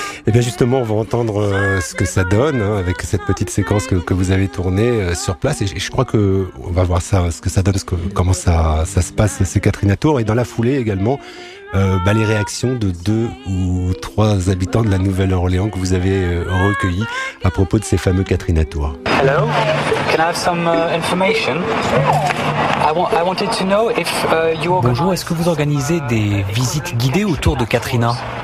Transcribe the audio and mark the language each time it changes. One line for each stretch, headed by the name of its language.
French: Eh bien justement, on va entendre ce que ça donne hein, avec cette petite séquence que vous avez tournée sur place. Et je crois que on va voir ça, ce que ça donne, comment ça se passe ces Katrina Tours. Et dans la foulée également, les réactions de deux ou trois habitants de la Nouvelle-Orléans que vous avez recueillis à propos de ces fameux Katrina Tours.
English: Hello, can I have some information? I wanted to know if you organize...
French: Bonjour, est-ce que vous organisez des visites guidées autour de Katrina?